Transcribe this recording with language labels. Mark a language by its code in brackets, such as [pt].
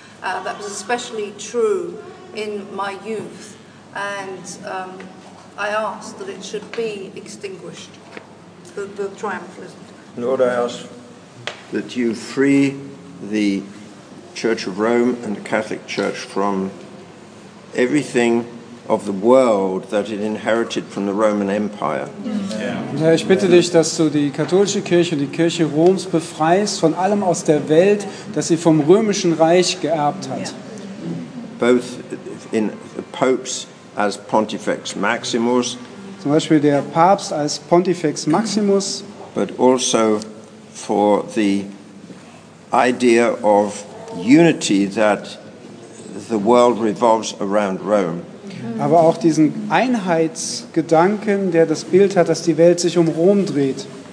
[en] That was especially true in my youth, and I ask that it should be extinguished, the triumphalism. Lord, I ask that you free the Church of Rome and the Catholic Church from everything of the world that it inherited from the Roman Empire. [de] Ja, ich bitte dich, dass du die katholische Kirche und die Kirche Roms befreist von allem aus der Welt, das sie vom Römischen Reich geerbt hat. [en] Both in the popes as Pontifex Maximus. [de] Zum Beispiel der Papst als Pontifex Maximus. [en] But also for the idea of unity that the world revolves around Rome. [de] Aber auch diesen Einheitsgedanken, der das Bild hat, dass die Welt sich um Rom dreht.